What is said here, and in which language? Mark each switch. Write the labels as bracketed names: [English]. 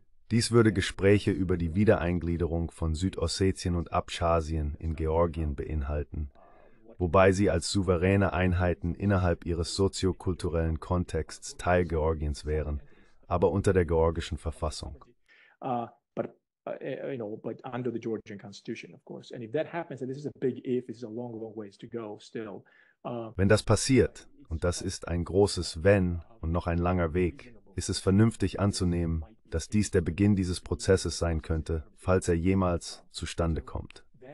[German] Dies würde Gespräche über die Wiedereingliederung von Südossetien und Abchasien in Georgien beinhalten, wobei sie als souveräne Einheiten innerhalb ihres soziokulturellen Kontexts Teil Georgiens wären, aber unter der georgischen Verfassung. [English] But under the Georgian Constitution, of course. And if that happens, and this is a big if, this is a long, long ways to go still. [German] Wenn das passiert, und das ist ein großes Wenn und noch ein langer Weg, ist es vernünftig anzunehmen, dass dies der Beginn dieses Prozesses sein könnte, falls er jemals zustande kommt.